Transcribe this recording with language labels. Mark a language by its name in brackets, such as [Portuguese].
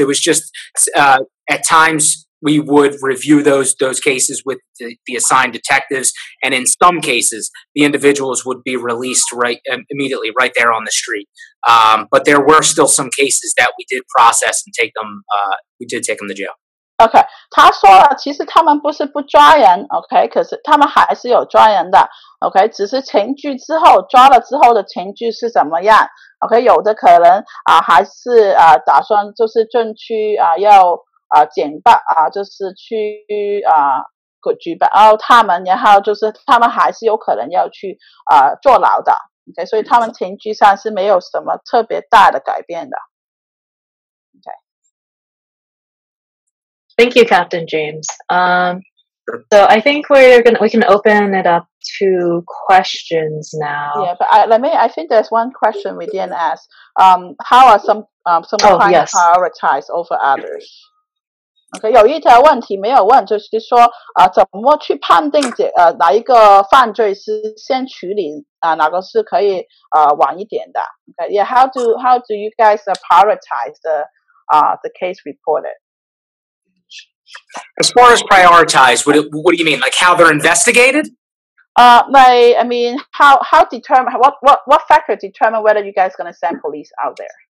[English] It was just at times we would review those cases with the assigned detectives. And in some cases, the individuals would be released immediately there on the street. But there were still some cases that we did process and take them. We did take them to jail. [Chinese] OK, 他说了其实他们不是不抓人 OK, 可是他们还是有抓人的 OK, 只是抓了之后的程序是怎么样 OK, 有的可能还是打算就是进去要举报他们，然后就是他们还是有可能要去坐牢的 OK, 所以他们程序上是没有什么特别大的改变的 OK。 [English] Thank you, Captain James. So I think we can open it up to questions now. Yeah, but I think there's one question we didn't ask. How are some oh, crimes yes. prioritized over others? [Chinese] Okay, 有一条问题没有问，就是说怎么去判定哪一个犯罪是先处理，哪个是可以晚一点的。 [English] Okay, yeah, how do you guys prioritize the case reported? As far as prioritized, what do you mean? Like how they're investigated? What factors determine whether you guys are going to send police out there?